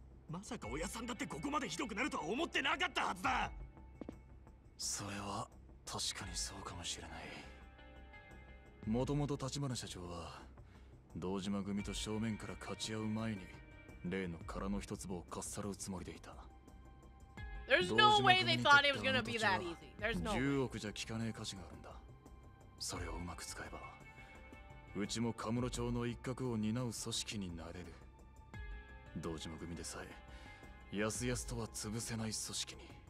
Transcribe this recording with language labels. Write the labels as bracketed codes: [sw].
[ja] まさか親さんだってここまでひどくなるとは思ってなかったはずだ。それは確かにそうかもしれない。もともと立花社長は堂島組と正面から勝ち合う前に例の殻の一つをかっさらうつもりでいた。 [en] There's no way they thought it was gonna be that easy. There's no way. [ja] 10億じゃ効かねえ価値があるんだ。それをうまく使えば。うちもカムロ町の一角を担う組織になれる。堂島組でさえ、やすやすとは潰せない組織に。